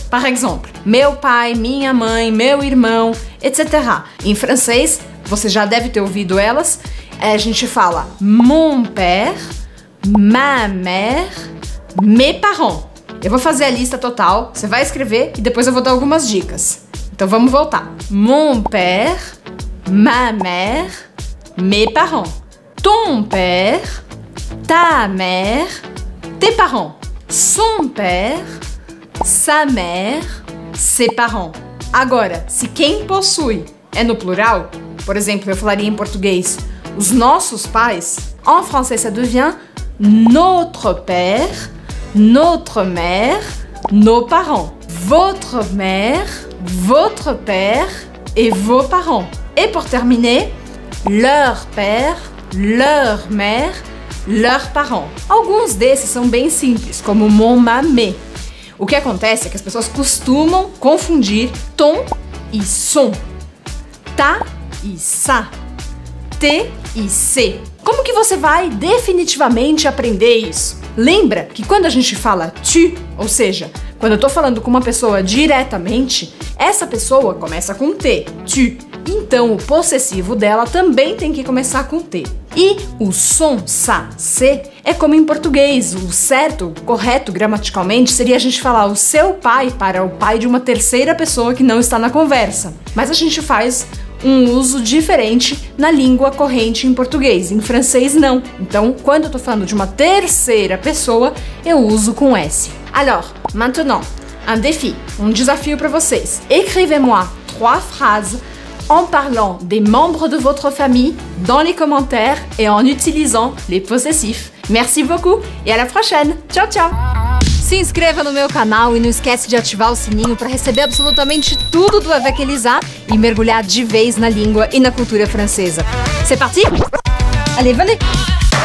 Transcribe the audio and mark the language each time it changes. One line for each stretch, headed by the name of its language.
Portuguese: Por exemplo, meu pai, minha mãe, meu irmão, etc. Em francês, você já deve ter ouvido elas, a gente fala
French: mon père, ma mère, mes parents.
Portuguese: Eu vou fazer a lista total, você vai escrever e depois eu vou dar algumas dicas. Então vamos voltar.
French: Mon père, ma mère, mes parents. Ton père, ta mère, tes parents. Son père, sa mère, ses parents.
Portuguese: Agora, se quem possui é no plural, por exemplo, eu falaria em português, os nossos pais,
French: en français ça devient notre père, notre mère, nos parents. Votre mère, votre père et vos parents. Et pour terminer, leur père, leur mère, leurs parents.
Portuguese: Alguns desses são bem simples, como mon mamé. O que acontece é que as pessoas costumam confundir ton e son, ta e sa, te e se. Como que você vai definitivamente aprender isso? Lembra que quando a gente fala tu, ou seja, quando eu tô falando com uma pessoa diretamente, essa pessoa começa com T, tu. Então o possessivo dela também tem que começar com T. E o som sa, se, é como em português. O certo, o correto gramaticalmente, seria a gente falar o seu pai para o pai de uma terceira pessoa que não está na conversa. Mas a gente faz um uso diferente na língua corrente em português, em francês não. Então, quando eu tô falando de uma terceira pessoa, eu uso com S.
French: Alors, maintenant, un défi,
Portuguese: um desafio para vocês.
French: Écrivez-moi trois phrases en parlant des membres de votre famille dans les commentaires et en utilisant les possessifs. Merci beaucoup et à la prochaine.
Portuguese: Tchau, tchau. Se inscreva no meu canal e não esquece de ativar o sininho para receber absolutamente tudo do Avec Elisa e mergulhar de vez na língua e na cultura francesa.
French: C'est parti? Allez, venez!